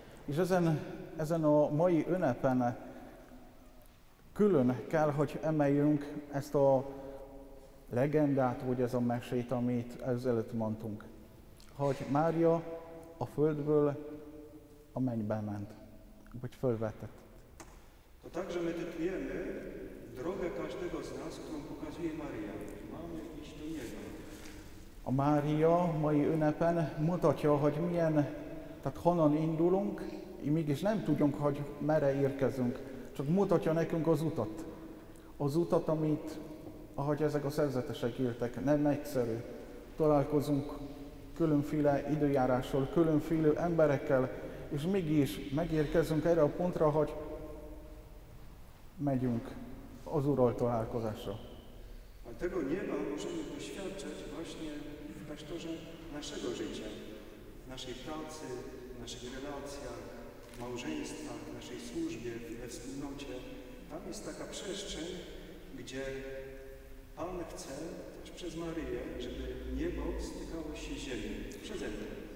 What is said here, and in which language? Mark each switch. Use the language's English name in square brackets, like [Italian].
[Hungarian] És ezen a mai ünnepen külön kell, hogy emeljünk ezt a legendát, vagy ez a mesét, amit ezelőtt mondtunk. Hogy Mária a földből a mennybe ment, vagy fölvetett. [Polish] To także medytujemy drogę każdego z nas, którą pokazuje Maria. Mamy iść do Niego. [Hungarian] A Mária mai ünnepen mutatja, hogy milyen, tehát honnan indulunk, és mégis nem tudjunk, hogy merre érkezünk, csak mutatja nekünk az utat. Az utat, amit, ahogy ezek a szerzetesek írtak, nem egyszerű. Találkozunk különféle időjárással, különféle emberekkel, és mégis megérkezünk erre a pontra, hogy megyünk az Úrral találkozásra. [Polish] A tego nieba możemy doświadczać właśnie w klasztorze naszego życia, w naszej pracy, w naszych relacjach, w małżeństwach, w naszej służbie, we wspólnocie. Tam jest taka przestrzeń, gdzie Pan chce też przez Maryję, żeby niebo stykało się z ziemią, przeze mnie.